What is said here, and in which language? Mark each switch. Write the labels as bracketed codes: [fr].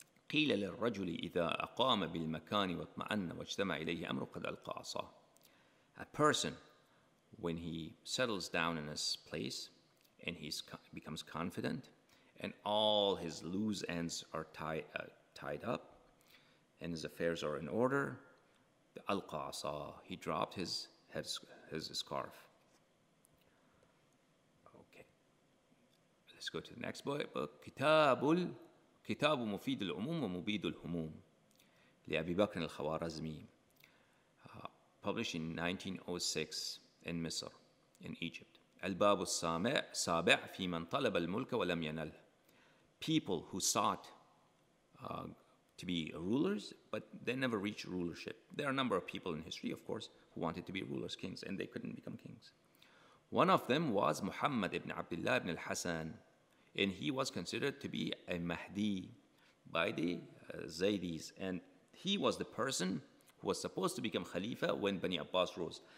[ar] قيل للرجل إذا أقام بالمكان واطمأن واجتمع إليه أمر قد ألقى عصاه. [en] A person, when he settles down in his place and he becomes confident and all his loose ends are tied up and his affairs are in order, [ar] ألقَى عصاه, [en] he dropped his scarf. Okay, let's go to the next book. [ar] كتاب مفيد العموم ومبيد الهموم لأبي بكر الخوارزمي, [en] published in 1906 in Misr, in Egypt. [ar] الباب السابع في من طلب الملك ولم ينل. [en] People who sought to be rulers, but they never reached rulership. There are a number of people in history, of course, who wanted to be rulers, kings, and they couldn't become kings. One of them was Muhammad ibn Abdullah ibn al-Hasan, and he was considered to be a Mahdi by the Zaydis, and he was the person who was supposed to become Khalifa when Bani Abbas rose.